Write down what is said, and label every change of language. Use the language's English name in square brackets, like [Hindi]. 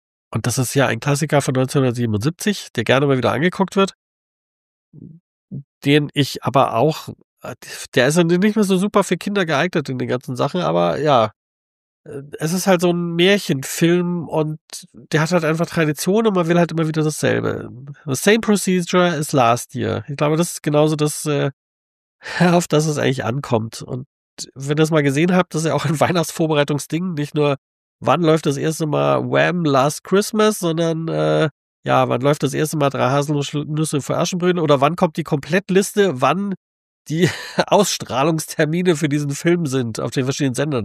[German] Und das ist ja ein Klassiker von 1977, der gerne mal wieder angeguckt wird. Den ich aber auch, der ist nicht mehr so super für Kinder geeignet in den ganzen Sachen, aber ja. Es ist halt so ein Märchenfilm und der hat halt einfach Tradition und man will halt immer wieder dasselbe. [English] The same procedure as last year. [German] Ich glaube, das ist genauso das, auf das es eigentlich ankommt. Und wenn ihr es mal gesehen habt, das ist ja auch ein Weihnachtsvorbereitungsding. Nicht nur, wann läuft das erste Mal Wham! Last Christmas, sondern wann läuft das erste Mal Drei Haselnüsse für Aschenbrödel oder wann kommt die Komplettliste, wann die Ausstrahlungstermine für diesen Film sind auf den verschiedenen Sendern.